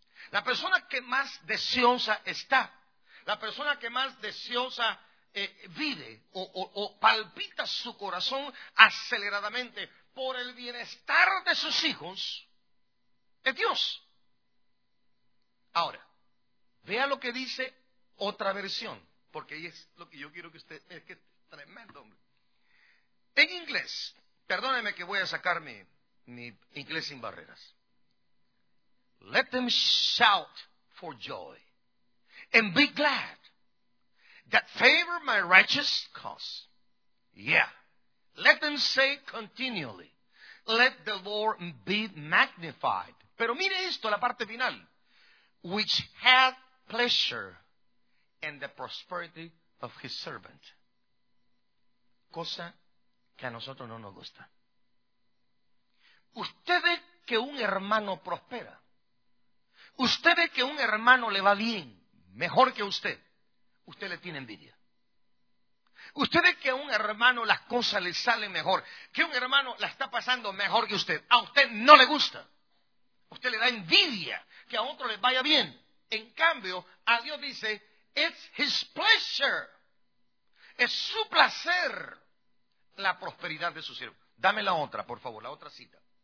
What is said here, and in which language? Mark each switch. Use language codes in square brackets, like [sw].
[es] La persona que más deseosa está, la persona que más deseosa vive o palpita su corazón aceleradamente por el bienestar de sus hijos, es Dios. Ahora, vea lo que dice otra versión, porque es lo que yo quiero que usted, es que es tremendo, hombre. En inglés, perdóneme que voy a sacar mi inglés sin barreras. [en] Let them shout for joy and be glad that favor my righteous cause. Yeah. Let them say continually, let the Lord be magnified. [es] Pero mire esto, la parte final. [en] Which hath pleasure in the prosperity of his servant. [es] Cosa que a nosotros no nos gusta. Usted ve que un hermano prospera. Usted ve que un hermano le va bien, mejor que usted. Usted le tiene envidia. Usted ve que a un hermano las cosas le salen mejor, que un hermano la está pasando mejor que usted. A usted no le gusta. Usted le da envidia que a otro le vaya bien. En cambio, a Dios dice, [en] it's his pleasure. [es] Es su placer la prosperidad de su siervo. Dame la otra, por favor, la otra cita.